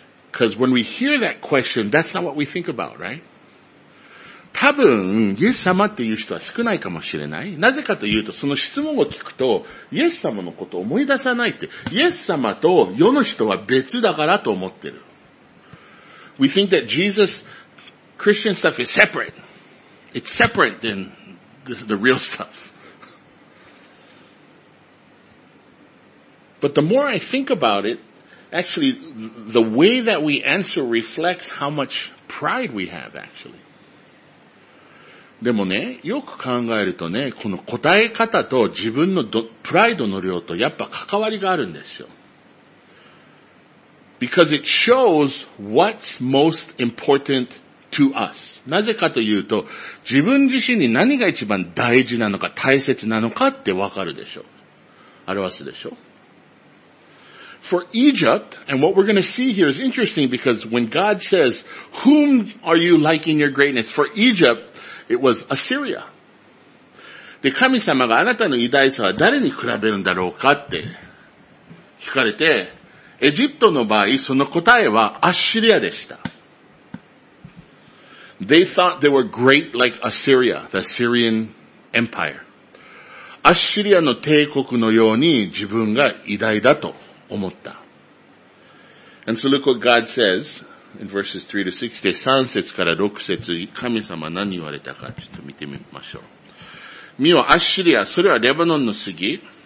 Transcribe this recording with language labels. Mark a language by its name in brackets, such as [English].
[English] Because when we hear that question, that's not what we think about, right? [Japanese] 多分、イエス様っていう人は少ないかもしれない。なぜかというと、その質問を聞くと、イエス様のことを思い出さないって、イエス様と世の人は別だからと思ってる。 [English] We think that Jesus, Christian stuff is separate. It's separate than the real stuff. But the more I think about it, actually, the way that we answer reflects how much pride we have, actually. [Japanese] でもね、よく考えるとね、この答え方と自分のプライドの量とやっぱ関わりがあるんですよ。 [English] Because it shows what's most important to us. [Japanese] なぜかというと、自分自身に何が一番大事なのか大切なのかってわかるでしょ。表すでしょ。 [English] For Egypt, and what we're going to see here is interesting because when God says, whom are you liking your greatness? For Egypt,It was Assyria. [Japanese] で、神様があなたの偉大さは誰に比べるんだろうかって聞かれて、エジプトの場合、その答えはアッシリアでした。 [English] They thought they were great like Assyria, the Assyrian Empire. [Japanese] アッシリアの帝国のように自分が偉大だと思った。 [English] And so look what God says. In verses 3 to 6, [Japanese] で3節から6節、神様何言われたかちょっと見てみましょう。見よ、アッシリア、それはレバノンの杉。